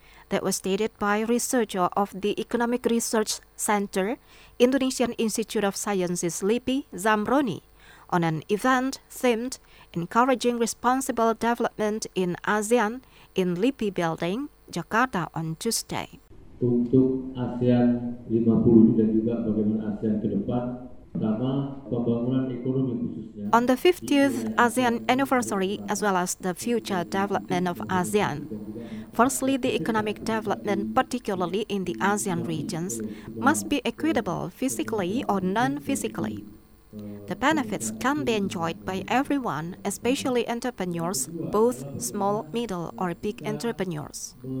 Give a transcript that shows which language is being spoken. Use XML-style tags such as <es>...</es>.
<en>That was stated by researcher of the Economic Research Center, Indonesian Institute of Sciences LIPI, Zamroni, on an event themed Encouraging Responsible Development in ASEAN in LIPI Building, Jakarta on Tuesday.</en> <id>Untuk ASEAN 50 dan juga bagaimana ASEAN ke depan, pertama pembangunan ekonomi khususnya.</id> <en>On the 50th ASEAN anniversary, as well as the future development of ASEAN, firstly, the economic development, particularly in the ASEAN regions, must be equitable physically or non-physically. The benefits can be enjoyed by everyone, especially entrepreneurs, both small, middle, or big entrepreneurs.</en>